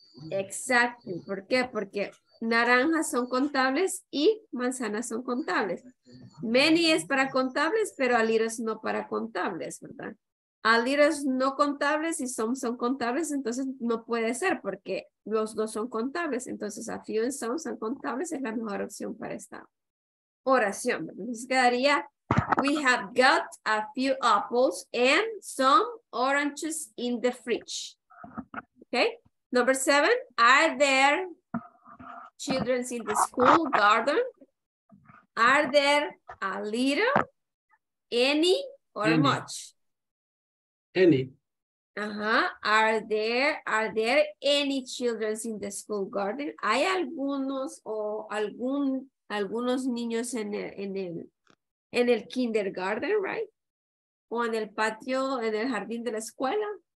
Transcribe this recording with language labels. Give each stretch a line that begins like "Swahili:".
English: Exactly.
Spanish: ¿Por qué? Porque naranjas son contables y manzanas son contables. Many es para contables, pero a little es no para contables, ¿verdad? A little es no contables y some son contables, entonces no puede ser porque los dos son contables. Entonces a few and some son contables es la mejor opción para esta oración. Entonces quedaría,
English: we have got a few apples and some oranges in the fridge. Okay, number seven, are there children in the school garden? Are there a little, any, or any. Much? Any. Uh-huh. Are there any children in the school garden?
Spanish: ¿Hay algunos o algunos niños en el kindergarten, right? O en el patio, en el jardín de la escuela?